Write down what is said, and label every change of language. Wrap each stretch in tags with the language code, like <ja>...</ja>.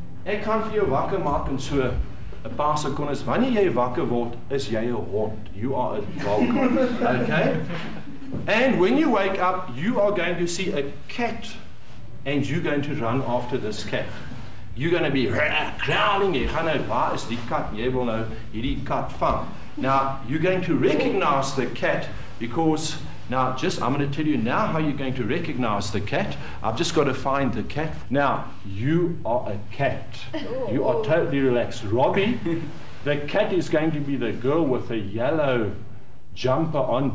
<af>Ek kan vir jou wakker maak en so. A paar sekondes. Wanneer jy wakker word, is jy 'n hond.</af> <en>You are a dog. Okay? And when you wake up, you are going to see a cat and you're going to run after this cat. You're going to be growling.</en> <af>Jy gaan nou, waar is die kat? Jy wil nou hierdie kat vang.</af> <en>Now, you're going to recognize the cat because I'm going to tell you now how you're going to recognize the cat. I've just got to find the cat. Now, you are a cat. You are totally relaxed. Robbie, the cat is going to be the girl with the yellow jumper on.</en>